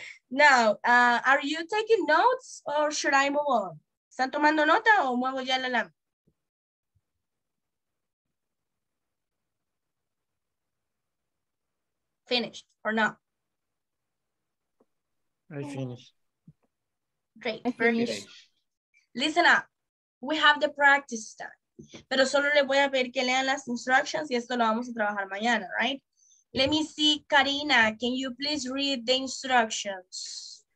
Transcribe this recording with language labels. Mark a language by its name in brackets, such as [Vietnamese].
[English] Now, are you taking notes or should I move on? [Spanish] ¿Están tomando nota o muevo ya la lámpara? [English] Finished or not? I finished. Great, finished. Listen up. We have the practice time. [Spanish] Pero solo le voy a pedir que lean las instructions y esto lo vamos a trabajar mañana, [English] right? Let me see, Karina, can you please read the instructions?